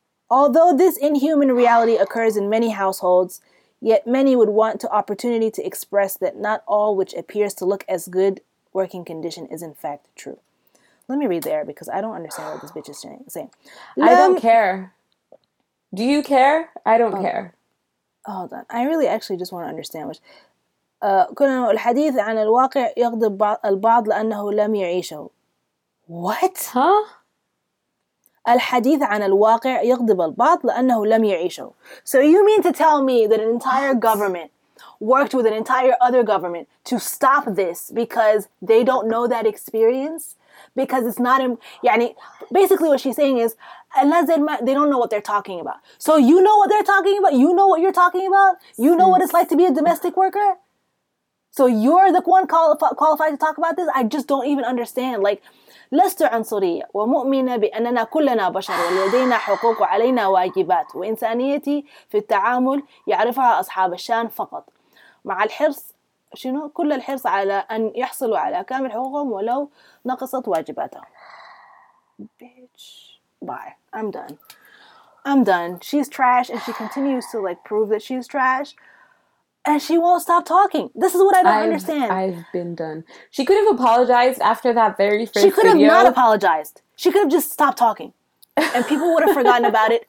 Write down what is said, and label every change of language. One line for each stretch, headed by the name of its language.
English: Although this inhuman reality occurs in many households, yet many would want the opportunity to express that not all which appears to look as good working condition is in fact true. Let me read there because I don't understand what this bitch is saying. I don't care. Do you care? I don't care. Hold on. I really actually just want to understand which...
Arabic: كنا الحديث عن الواقع يغضب البعض لأنه لم يعيشه.
English: What? Huh?
Arabic: الحديث عن الواقع يغضب البعض لأنه لم يعيشه.
English: So you mean to tell me that an entire government worked with an entire other government to stop this because they don't know that experience? Because it's not... يعني, basically what she's saying is, unless they don't know what they're talking about. So you know what they're talking about? You know what you're talking about? You know what it's like to be a domestic worker? So you're the one qualified to talk about this? I just don't even understand.
Arabic: Like, لست عنصرية ومؤمنة بأننا كلنا بشر ولدينا حقوق وعلينا واجبات وإنسانيتي في التعامل يعرفها أصحاب الشأن فقط مع الحرص شنو كل الحرص على أن يحصلوا على كامل حقوقهم ولو نقصت واجباتهم.
English: Bitch, bye. I'm done. She's trash and she continues to like prove that she's trash. And she won't stop talking. This is what I don't understand. I've been done. She could have apologized after that very first video. She could have not apologized. She could have just stopped talking. And people would have forgotten about it.